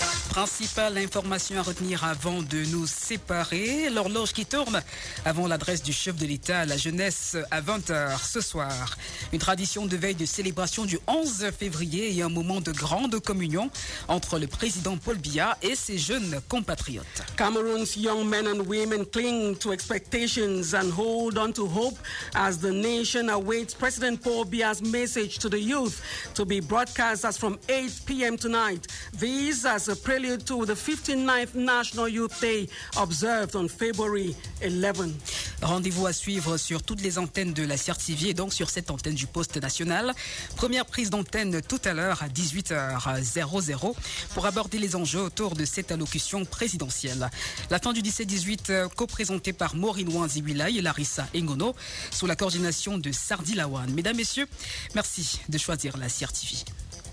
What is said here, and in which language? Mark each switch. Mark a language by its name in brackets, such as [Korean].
[French] Principale information à retenir avant de nous séparer, l'horloge qui tourne avant l'adresse du chef de l'État à la jeunesse à 20h ce soir. Une tradition de veille de célébration du 11 février et un moment de grande communion entre le président Paul Biya et ses jeunes compatriotes. [English] Cameroon's young men and women cling to expectations and hold on to hope as the nation awaits President Paul Biya's message to the youth to be broadcast as from 8 p.m. tonight. These as a prelude to the 59th National Youth Day observed on February 11. [French] Rendez-vous à suivre sur toutes les antennes de la CRTV et donc sur cette antenne du poste national. Première prise d'antenne tout à l'heure à 18h00 pour aborder les enjeux autour de cette allocution présidentielle. La fin du 17-18, co-présentée par Maureen Wanzibulaï et Larissa Engono sous la coordination de Sardi Lawan. Mesdames, Messieurs, merci de choisir la CRTV.